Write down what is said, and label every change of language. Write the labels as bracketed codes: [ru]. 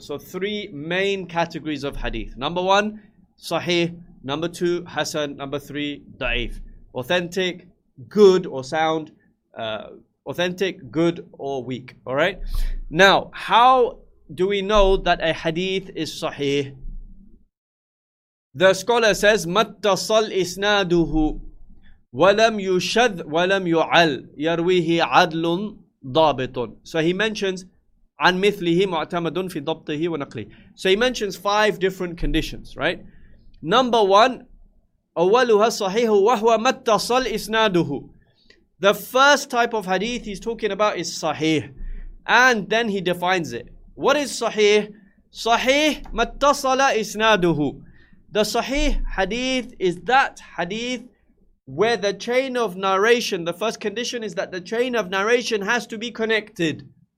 [en] So three main categories of hadith. Number one, sahih. Number two, hasan. Number three, da'if. Authentic, good or sound. Authentic, good or weak. All right? Now, how do we know that a hadith is sahih? The scholar says, [ar] مَتَّصَلْ إِسْنَادُهُ وَلَمْ يُشَذْ وَلَمْ يُعَلْ يَرْوِيهِ عَدْلٌ ضَابِطٌ. [en] So he mentions, [ar] عَنْ مِثْلِهِ مُعْتَمَدٌ فِي ضَبْطِهِ وَنَقْلِهِ. [en] So he mentions five different conditions, right? Number one, [ar] أَوَّلُهَا صَحِيحُ وَهُوَ مَتَّصَلْ إِسْنَادُهُ. [en] The first type of hadith he's talking about is sahih. And then he defines it. What is sahih? [ar] Sahih mattasala isnaduhu. [en] The sahih hadith is that hadith where the chain of narration, the first condition is that the chain of narration has to be connected.